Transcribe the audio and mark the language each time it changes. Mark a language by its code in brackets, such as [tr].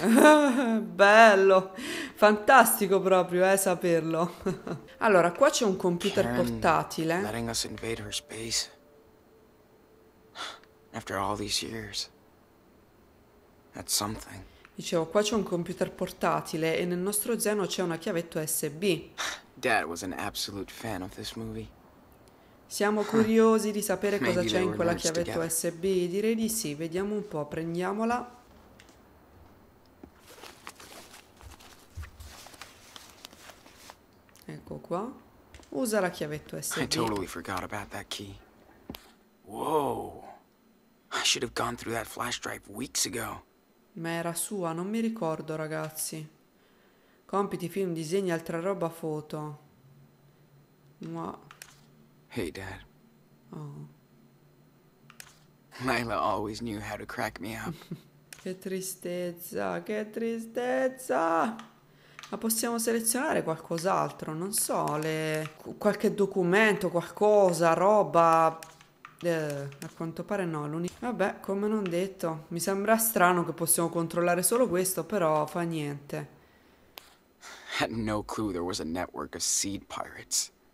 [it] Bello, fantastico proprio, saperlo. Allora, qua c'è un computer [en] Karen [it] portatile. [en] Letting us invade her space. After all these years, that's something. [it] Dicevo, qua c'è un computer portatile e nel nostro zaino c'è una chiavetta USB. [en] Dad was an absolute fan of this movie. [it] Siamo curiosi di sapere cosa c'è in quella chiavetta USB. Direi di sì, vediamo un po', prendiamola. Ecco qua. Usa la chiavetta USB. [en] I totally forgot about that key. Whoa. I should have gone through that flash drive weeks ago. [it] Ma era sua, non mi ricordo, ragazzi. Compiti, film, disegni, altra roba, foto. [en] What? Hey, Dad. Oh. Lila always knew how to crack me up. [it] Che tristezza, che tristezza! Ma possiamo selezionare qualcos'altro? Non so, qualche documento, qualcosa, roba... a quanto pare no, l'unico... Vabbè, come non detto, mi sembra strano che possiamo controllare solo questo, però fa niente. [en] Had no clue there was a network of seed pirates.